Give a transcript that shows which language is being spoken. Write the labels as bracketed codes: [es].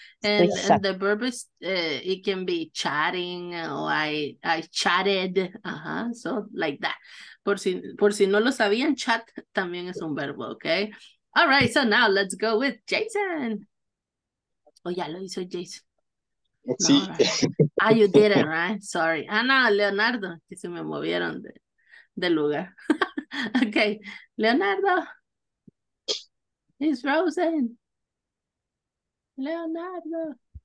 [en] And the verb is, it can be chatting, or I chatted, ajá, so like that. [es] Por si no lo sabían, chat también es un verbo, okay? [en] All right, so now let's go with Jason. [es] Oh, ya lo hizo Jason. Sí. No, [en] right. Ah, you didn't, right? Sorry. [es] Ah, no, Leonardo, que se me movieron de lugar. [en] Okay, Leonardo. It's frozen. Leonardo.